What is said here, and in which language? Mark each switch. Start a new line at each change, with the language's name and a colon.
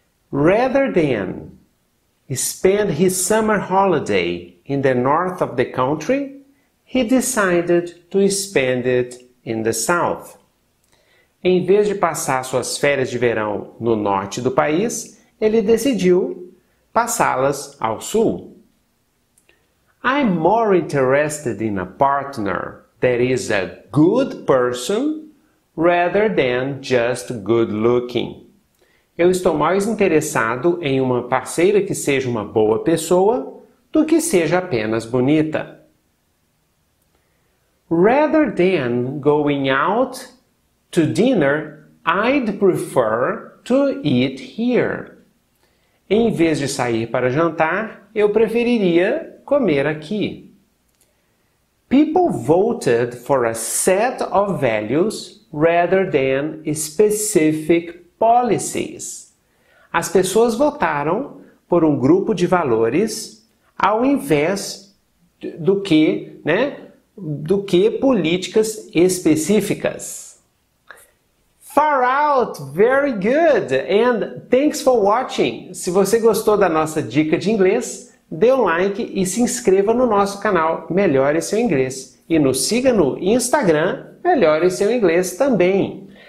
English: Rather than spend his summer holiday in the north of the country, he decided to spend it in the south.
Portuguese: Em vez de passar suas férias de verão no norte do país, ele decidiu passá-las ao sul.
English: I'm more interested in a partner that is a good person rather than just good looking.
Portuguese: Eu estou mais interessado em uma parceira que seja uma boa pessoa do que seja apenas bonita.
English: Rather than going out to dinner, I'd prefer to eat here.
Portuguese: Em vez de sair para jantar, eu preferiria comer aqui.
English: People voted for a set of values rather than specific policies.
Portuguese: As pessoas votaram por um grupo de valores ao invés do que, né, do que políticas específicas.
English: Far out, very good, and thanks for watching.
Portuguese: Se você gostou da nossa dica de inglês, dê um like e se inscreva no nosso canal Melhore Seu Inglês e nos siga no Instagram Melhore Seu Inglês também.